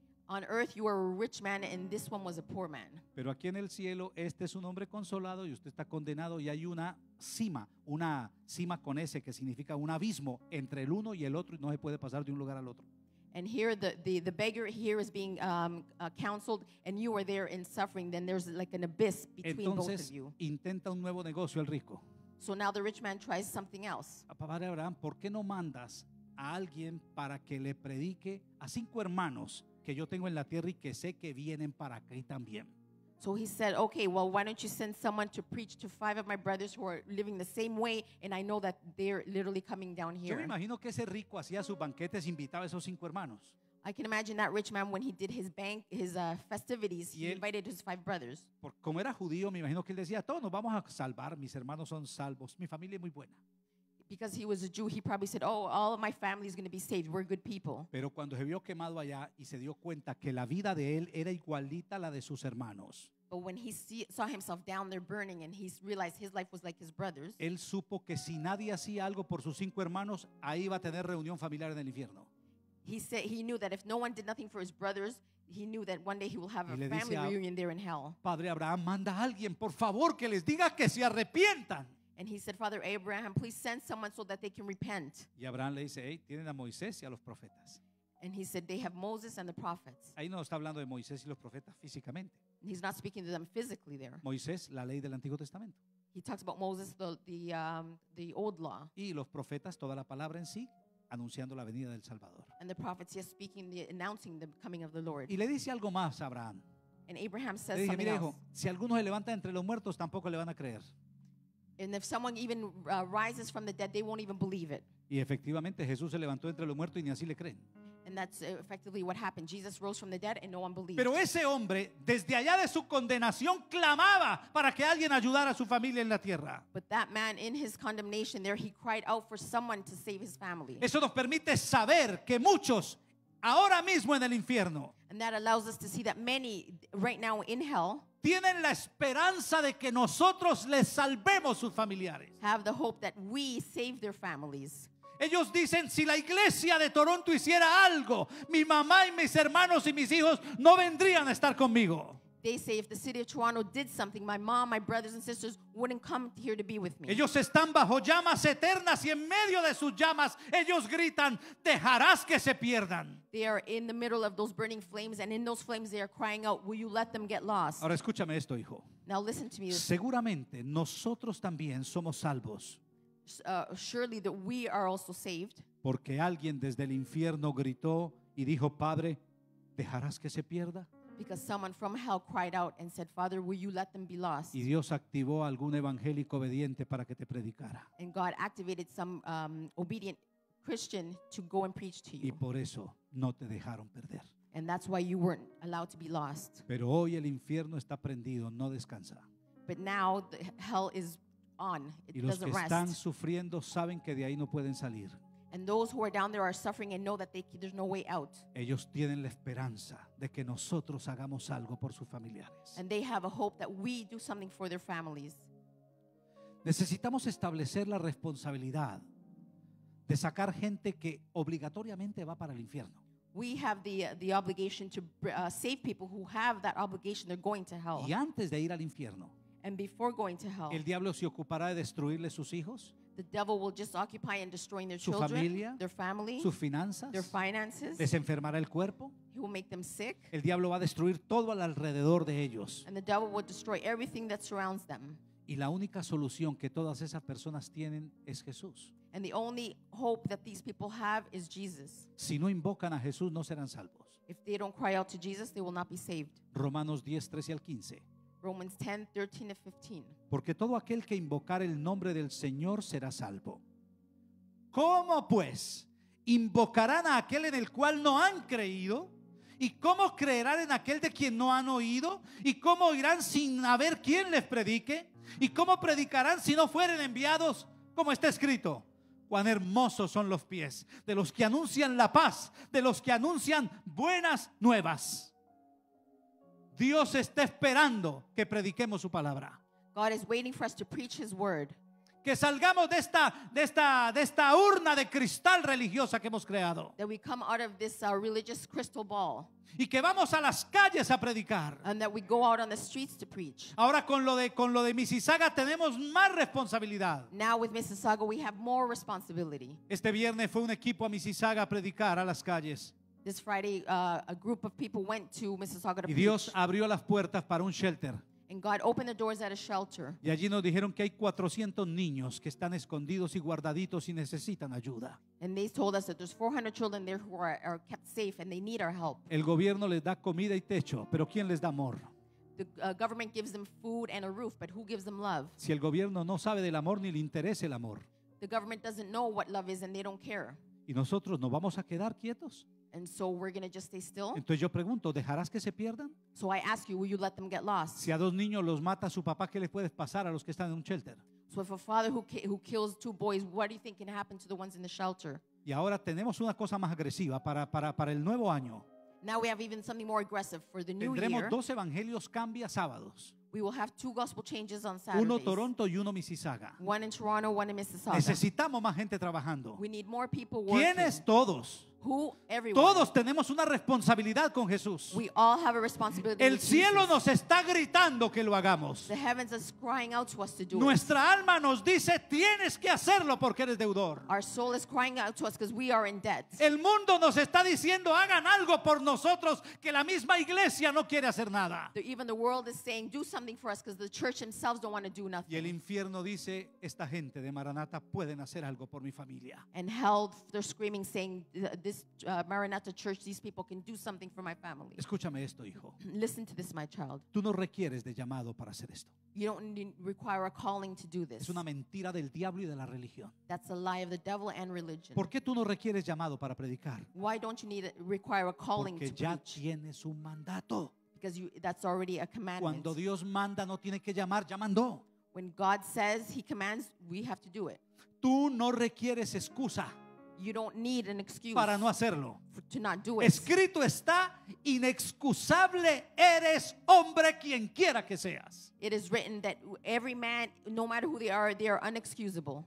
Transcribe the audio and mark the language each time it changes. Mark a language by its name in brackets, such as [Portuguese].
[English] On earth you were a rich man and this one was a poor man. [Spanish] Pero aquí en el cielo este es un hombre consolado y usted está condenado, y hay una cima con ese que significa un abismo entre el uno y el otro, y no se puede pasar de un lugar al otro. [English] And here the beggar here is being counseled, and you are there in suffering. Then there's like an abyss between [Spanish] Entonces, [English] both of you. [Spanish] Entonces intenta un nuevo negocio el rico. [English] So now the rich man tries something else. [Spanish] Padre Abraham, ¿por qué no mandas a alguien para que le predique a cinco hermanos que yo tengo en la tierra y que sé que vienen para aquí también? [English] So he said, okay, well, why don't you send someone to preach to five of my brothers who are living the same way, and I know that they're literally coming down here. [Spanish] Yo me imagino que ese rico hacía sus banquetes, invitaba a esos cinco hermanos. [English] I can imagine that rich man when he did his festivities, he invited his five brothers. [Spanish] Como era judío, me imagino que él decía, todos nos vamos a salvar, mis hermanos son salvos, mi familia es muy buena. [English] Because he was a Jew, he probably said, oh, all of my family is going to be saved. We're good people. [Spanish] Pero cuando se vio quemado allá y se dio cuenta que la vida de él era igualita a la de sus hermanos. [English] But when he saw himself down there burning and he realized his life was like his brother's. [Spanish] Él supo que si nadie hacía algo por sus cinco hermanos, ahí iba a tener reunión familiar en el infierno. [English] He knew that if no one did nothing for his brothers, he knew that one day he will have a family reunion there in hell. [Spanish] Padre Abraham, manda a alguien, por favor, que les diga que se arrepientan. [English] And he said, Father Abraham, please send someone so that they can repent. [Spanish] Y Abraham le dice, hey, tienen a Moisés y a los profetas. [English] And he said, they have Moses and the prophets. [Spanish] Ahí no está hablando de Moisés y los profetas físicamente. [English] He's not speaking to them physically there. [Spanish] Moisés, la ley del Antiguo Testamento. [English] He talks about Moses, the old law. [Spanish] Y los profetas, toda la palabra en sí, anunciando la venida del Salvador. [English] And the prophets, yes, speaking, announcing the coming of the Lord. [Spanish] Y le dice algo más a Abraham. [English] And Abraham says else. [Spanish] Mira, hijo, si alguno se levanta entre los muertos, tampoco le van a creer. [English] And if someone even rises from the dead, they won't even believe it. [Spanish] Y efectivamente Jesús se levantó entre los muertos y ni así le creen. [English] And that's effectively what happened. Jesus rose from the dead and no one believed. [Spanish] Pero ese hombre, desde allá de su condenación, clamaba para que alguien ayudara a su familia en la tierra. [English] But that man in his condemnation there, he cried out for someone to save his family. [Spanish] Eso nos permite saber que muchos ahora mismo en el infierno, [English] and that allows us to see that many right now in hell, [Spanish] tienen la esperanza de que nosotros les salvemos sus familiares. [English] Have the hope that we save their families. [Spanish] Ellos dicen, si la iglesia de Toronto hiciera algo, mi mamá y mis hermanos y mis hijos no vendrían a estar conmigo. [English] They say, if the city of Toronto did something, my mom, my brothers and sisters wouldn't come here to be with me. [Spanish] Ellos están bajo llamas eternas, y en medio de sus llamas ellos gritan, dejarás que se pierdan. [English] They are in the middle of those burning flames, and in those flames they are crying out, will you let them get lost? [Spanish] Ahora escúchame esto, hijo. [English] Now listen to me. [Spanish] Seguramente nosotros también somos salvos. [English] Surely that we are also saved. [Spanish] Porque alguien desde el infierno gritó y dijo, Padre, dejarás que se pierda. [English] Because someone from hell cried out and said, Father, will you let them be lost? [Spanish] Y Dios activó algún evangélico obediente para que te predicara. [English] And God activated some obedient Christian to go and preach to you. [Spanish] Y por eso no te dejaron perder. [English] And that's why you weren't allowed to be lost. [Spanish] Pero hoy el infierno está prendido, no descansa. [English] But now the hell is on. It [Spanish] y los [English] doesn't rest. [Spanish] Están sufriendo saben que de ahí no pueden salir. [English] And those who are down there are suffering and know that there's no way out. [Spanish] Ellos tienen la esperanza de que nosotros hagamos algo por sus familiares. [English] And they have a hope that we do something for their families. [Spanish] Necesitamos establecer la responsabilidad de sacar gente que obligatoriamente va para el infierno. [English] We have the obligation to save people who have that obligation. They're going to hell. [Spanish] Y antes de ir al infierno, [English] and before going to hell, [Spanish] el diablo se ocupará de destruirle sus hijos, [English] the devil will just occupy in destroying their [Spanish] su [English] children, [Spanish] familia, [English] their family, [Spanish] sus finanzas, [English] their finances. [Spanish] Les enfermará el cuerpo. [English] He will make them sick. [Spanish] El diablo va a destruir todo al alrededor de ellos. [English] And the devil will destroy everything that surrounds them. [Spanish] Y la única solución que todas esas personas tienen es Jesús. [English] And the only hope that these people have is Jesus. [Spanish] Si no invocan a Jesús, no serán salvos. [English] If they don't cry out to Jesus, they will not be saved. [Spanish] Romanos 10, 13 al 15. [English] Romans 10, 13 to 15. [Spanish] Porque todo aquel que invocar el nombre del Señor será salvo. ¿Cómo pues invocarán a aquel en el cual no han creído? ¿Y cómo creerán en aquel de quien no han oído? ¿Y cómo irán sin haber quien les predique? ¿Y cómo predicarán si no fueren enviados? Como está escrito, cuán hermosos son los pies de los que anuncian la paz, de los que anuncian buenas nuevas. Dios está esperando que prediquemos su palabra. [English] God is waiting for us to preach his word. [Spanish] Que salgamos de esta urna de cristal religiosa que hemos creado. [English] That we come out of this religious crystal ball. [Spanish] Y que vamos a las calles a predicar. [English] And that we go out on the streets to preach. [Spanish] Ahora con lo de Mississauga tenemos más responsabilidad. [English] Now with Mississauga we have more responsibility. [Spanish] Este viernes fue un equipo a Mississauga a predicar a las calles. [English] This Friday a group of people went to Mississauga to preach. [Spanish] Y Dios abrió las puertas para un shelter. [English] And God opened the doors at a shelter. [Spanish] Y allí nos dijeron que hay 400 niños que están escondidos y guardaditos y necesitan ayuda. [English] And they told us that there's 400 children there who are kept safe and they need our help. [Spanish] El gobierno les da comida y techo, pero ¿quién les da amor? [English] The government gives them food and a roof, but who gives them love? [Spanish] Si el gobierno no sabe del amor ni le interesa el amor. [English] The government doesn't know what love is and they don't care. [Spanish] ¿Y nosotros nos vamos a quedar quietos? [English] And so we're going to just stay still. [Spanish] Entonces yo pregunto, ¿dejarás que se pierdan? [English] So I ask you, will you let them get lost? [Spanish] Si a dos niños los mata su papá, ¿qué les puede pasar a los que están en un shelter? [English] So if a father who kills two boys, what do you think can happen to the ones in the shelter? [Spanish] Y ahora tenemos una cosa más agresiva para el nuevo año. [English] Now we have even something more aggressive for the new year. [Spanish] Tendremos dos evangelios cambia sábados. [English] We will have two gospel changes on Saturdays. [Spanish] Uno Toronto y uno Mississauga. [English] One in Toronto, one in Mississauga. [Spanish] Necesitamos más gente trabajando. [English] We need more people working. [Spanish] ¿Quiénes todos? [English] Who, everyone. [Spanish] Todos tenemos una responsabilidad con Jesús. [English] We all have a responsibility. [Spanish] El cielo nos está gritando que lo hagamos. [English] The heavens is crying out to us to do it. [Spanish] Nuestra alma nos dice, tienes que hacerlo porque eres deudor. [English] Our soul is crying out to us because we are in debt. [Spanish] El mundo nos está diciendo, hagan algo por nosotros que la misma iglesia no quiere hacer nada. [English] Even the world is saying, do something for us because the church themselves don't want to do nothing. [Spanish] Y el infierno dice, esta gente de Maranata pueden hacer algo por mi familia. [English] And hell, they're screaming, saying, This Maranatha Church, these people can do something for my family. [Spanish] Escúchame esto, hijo. [English] Listen to this, my child. [Spanish] Tú no requieres de llamado para hacer esto. [English] You don't require a calling to do this. [Spanish] Es una mentira del diablo y de la religión. [English] That's a lie of the devil and religion. [Spanish] ¿Por qué tú no requieres llamado para predicar? [English] Why don't you need require a calling [Spanish] Porque [English] to preach? [Spanish] Porque ya tienes un mandato. [English] Because that's already a commandment. [Spanish] Cuando Dios manda, no tiene que llamar, ya mandó. [English] When God says he commands, we have to do it. [Spanish] Tú no requieres excusa. [English] You don't need an excuse [Spanish] para no hacerlo. [English] To not do it. [Spanish] Escrito está, inexcusable eres hombre quienquiera que seas. [English] It is written that every man, no matter who they are unexcusable.